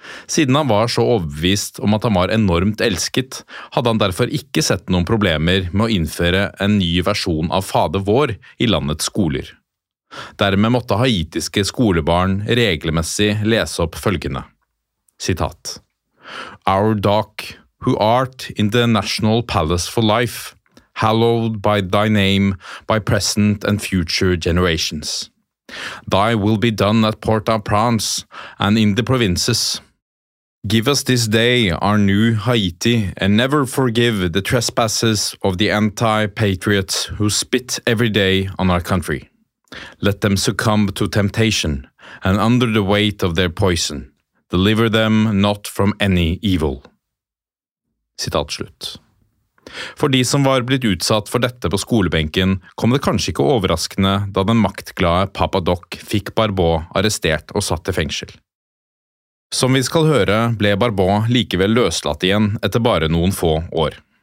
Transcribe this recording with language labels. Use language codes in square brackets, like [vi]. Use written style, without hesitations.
[no] Siden han var så overbevist om at han var enormt elsket, hadde han derfor ikke sett noen problemer med å innføre en ny versjon av Fader vår i landets skoler. Dermed måtte haitiske skolebarn regelmessig lese opp følgende. Sitat. [en] Our Doc, who art in the National Palace for Life, hallowed by thy name, by present and future generations. Thy will be done at Port-au-Prince and in the provinces. Give us this day our new Haiti, and never forgive the trespasses of the anti-patriots who spit every day on our country. Let them succumb to temptation, and under the weight of their poison, deliver them not from any evil. [no] Sitat slutt. For de som var blitt utsatt for dette på skolebenken, kom det kanskje ikke overraskende da den maktglade Papadoc fikk Barbeau arrestert og satt i fengsel. Som vi skal høre, ble Barbeau likevel løslatt igjen etter bare noen få år.